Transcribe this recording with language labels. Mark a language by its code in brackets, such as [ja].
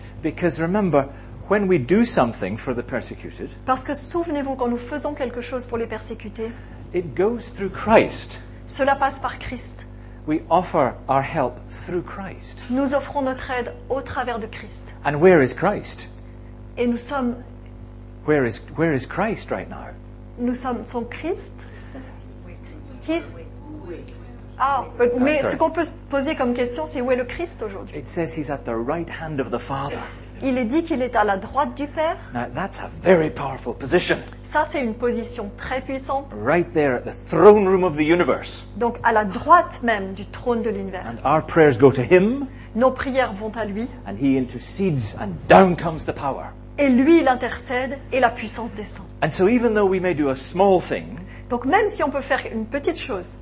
[en] Because remember, when we do something for the persecuted. [fr] Parce que souvenez-vous, quand nous faisons quelque chose pour les persécutés. [en] It goes through Christ. [fr] Cela passe par Christ. [en] We offer our help through Christ. [fr] Nous offrons notre aide au travers de Christ. [en] And where is Christ? [fr] Et nous sommes. [en] Where is Christ right now? [fr] Nous sommes son Christ. [en] His. Ah, but oh, [fr] mais ce qu'on peut se poser comme question, c'est où est le Christ aujourd'hui? [en] It says he's at the right hand of the Father. [fr] Il est dit qu'il est à la droite du Père. [en] Now that's a very powerful position. [fr] Ça, c'est une position très puissante. [en] Right there at the throne room of the universe. [fr] Donc à la droite même du trône de l'univers. [en] And our prayers go to him. [fr] Nos prières vont à lui. [en] And he intercedes, and down comes the power. [fr] Et lui, il intercède et la puissance descend. [en] And so even though we may do a small thing, [fr] donc même si on peut faire une petite chose,